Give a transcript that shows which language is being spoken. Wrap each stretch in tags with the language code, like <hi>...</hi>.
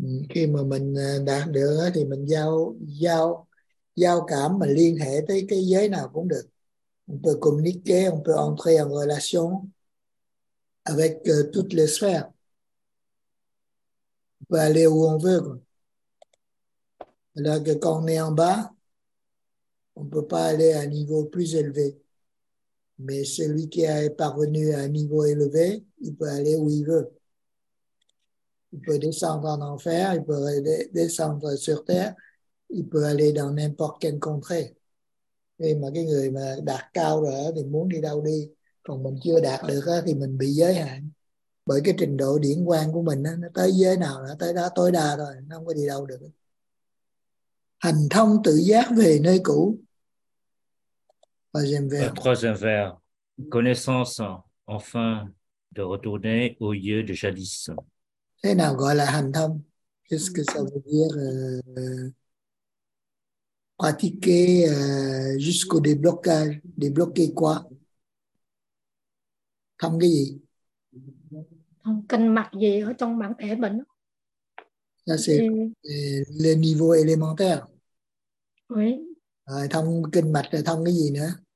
<vi>Khi mà mình đạt được thì mình giao cảm mà liên hệ tới cái giới nào cũng được.</vi> <fr>On peut communiquer, on peut entrer en relation avec toutes les sphères. On peut aller où on veut. Alors que quand on est en bas, on ne peut pas aller à un niveau plus élevé. Mais celui qui est parvenu à un niveau élevé, il peut aller où il veut. Il peut descendre en enfer, il peut descendre sur terre, il peut aller dans n'importe quelle contrée.</fr> <vi>Khi mà cái người mà đạt cao rồi thì muốn đi đâu đi, còn mình chưa đạt được thì mình bị giới hạn bởi cái trình độ điển quang của mình, nó tới giới nào nó tới đó tối đa rồi, nó không có đi đâu được. Hành thông tự giác về nơi cũ.</vi> <fr>Troisième vers. Troisième vers. Connaissance enfin de retourner au lieu de jadis.</fr> <vi>Thế nào gọi là hành thông?</vi> <fr>Qu'est-ce que ça veut dire? Pratiquer jusqu'au déblocage. Débloquer quoi?</fr> <vi>Thông cái gì? Thông kinh mạch gì ở trong bản thể mình.</vi> <fr>Ça c'est le niveau élémentaire. Oui.</fr> <vi>Thông kinh mạch là thông cái gì nữa?</vi>